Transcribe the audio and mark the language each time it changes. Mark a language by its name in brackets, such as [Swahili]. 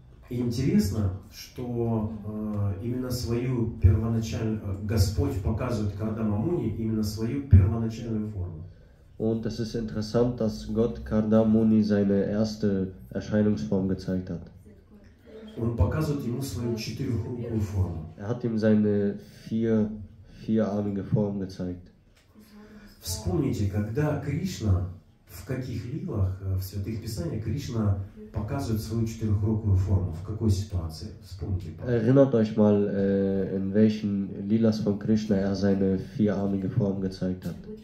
[Russian] Интересно, что именно свою первоначальную Господь показывает Кардама Муни именно свою первоначальную форму. [German] Und es ist interessant, dass Gott Kardama Muni seine erste Erscheinungsform gezeigt hat. [Russian] Он показывает ему свою четырехрукую форму. [German] Er hat ihm seine vierarmige Form gezeigt. [Russian] Вспомните, когда Кришна в каких лилах, в Святых Писаниях Кришна показывает свою четырехрукую форму? В какой ситуации? Вспомните. [German] Erinnert euch mal, in welchen Lilas von Krishna er seine vierarmige Form gezeigt hat.